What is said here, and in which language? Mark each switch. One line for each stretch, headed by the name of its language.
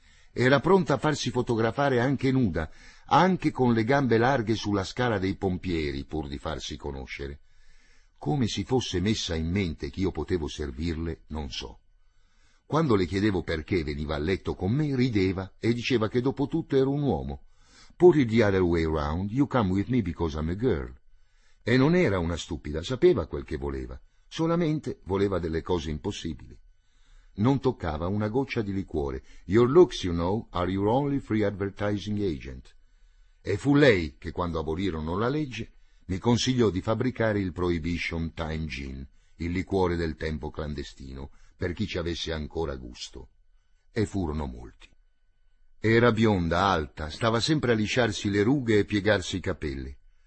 Italian: Era pronta a farsi fotografare anche nuda, anche con le gambe larghe sulla scala dei pompieri, pur di farsi conoscere. Come si fosse messa in mente che io potevo servirle, non so. Quando le chiedevo perché veniva a letto con me, rideva e diceva che dopo tutto ero un uomo.
English: Put it the other way round, you come with me because I'm a girl.
Italian: E non era una stupida, sapeva quel che voleva, solamente voleva delle cose impossibili. Non toccava una goccia di liquore.
English: Your looks, you know, are your only free advertising agent.
Italian: E fu lei che, quando abolirono la legge, mi consigliò di fabbricare il Prohibition Time Gin, il liquore del tempo clandestino, per chi ci avesse ancora gusto. E furono molti. Era bionda, alta, stava sempre a lisciarsi le rughe e piegarsi i capelli.